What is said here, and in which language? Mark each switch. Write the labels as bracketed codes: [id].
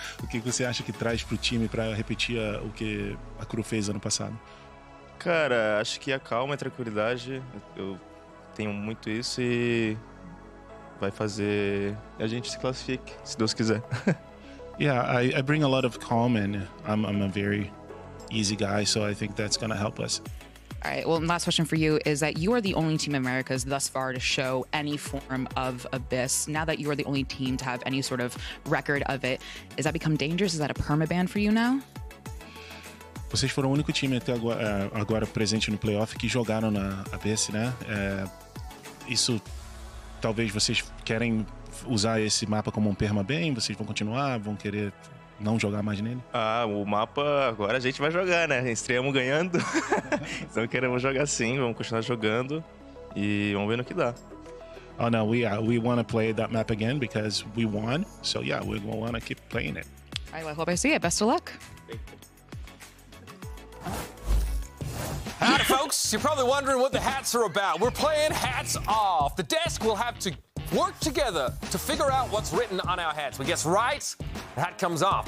[pt] O que você acha que traz pro time para repetir o que a Crew fez ano passado? Cara, acho que a calma e a tranquilidade, eu tenho muito isso e vai fazer a gente se classifique, se Deus quiser. [en] Yeah, I bring a lot of calm and I'm a very easy guy. So I think that's going to help us. All right. Well, and last question for you is that you are the only team in Americas thus far to show any form of Abyss. Now that you are the only team to have any sort of record of it, is that become dangerous? Is that a permaban for you now? [pt] Vocês foram o único time até agora, agora presente no playoff que jogaram na Abyss, né? É, isso, talvez vocês querem usar esse mapa como um permaban, vocês vão continuar, vão querer não jogar mais nele? Ah, o mapa agora a gente vai jogar, né? Estreamos ganhando, então queremos jogar sim, vamos continuar jogando e vamos ver no que dá. [en] Oh, no, we want to play that map again because we won, so yeah, we want to keep playing it. All right, well, I hope I see it. Best of luck. Hi, folks, you're probably wondering what the hats are about. We're playing Hats Off. The desk will have to work together to figure out what's written on our hats. We guess right, the hat comes off.